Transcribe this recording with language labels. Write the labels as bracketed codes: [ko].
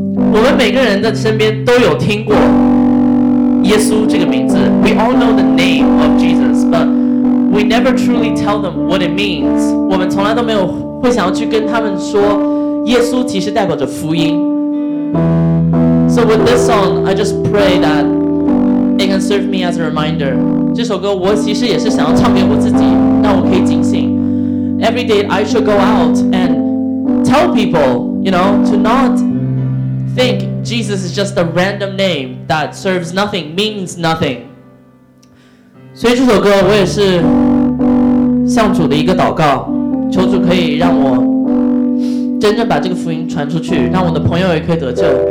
[zh] 我们每个人的身边都有听过耶稣这个名字， [en] We all know the name of Jesus， but we never truly tell them what it means。 [zh] 我们从来都没有会想要去跟他们说耶稣其实代表着福音。 [en] So with this song I just pray that it can serve me as a reminder。 [zh] 这首歌我其实也是想要唱给我自己，让我可以警醒。 [en] Every day I should go out and tell people, you know, to notThink Jesus is just a random name that serves nothing, means nothing. [zh] 所以这首歌我也是向主的一个祷告，求主可以让我真正把这个福音传出去，让我的朋友也可以得救。